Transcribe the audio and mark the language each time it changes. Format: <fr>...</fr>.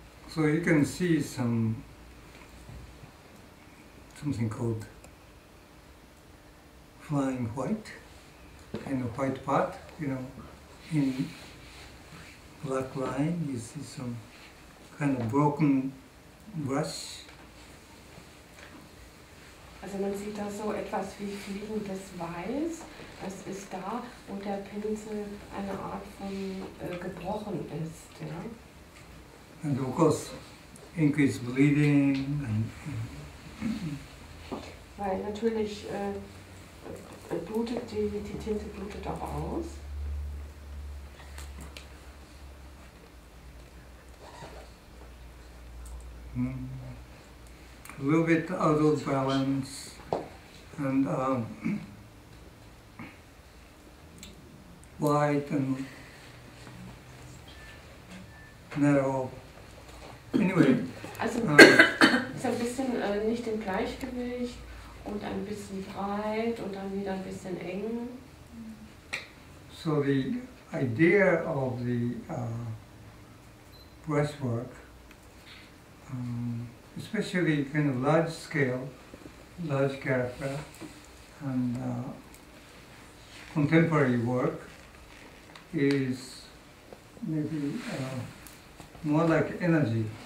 <en>So you can see something called flying white, kind of white part, you know, in black line you see some kind of broken brush.</en> <de>Also man sieht da so etwas wie fliegendes Weiß. Das ist da, wo der Pinsel eine Art von gebrochen ist, ja.</de> <en>And of course, ink is bleeding.</en> <de>Weil natürlich blutet die Tinte blutet auch aus.</de> <en>A little bit out of balance, and wide and narrow. Anyway,</en> <de>also ist ein bisschen nicht im Gleichgewicht und ein bisschen breit und dann wieder ein bisschen eng.</de> <en>So the idea of the brushwork, especially kind of large scale, large character, and contemporary work, is maybe more like energy.</en>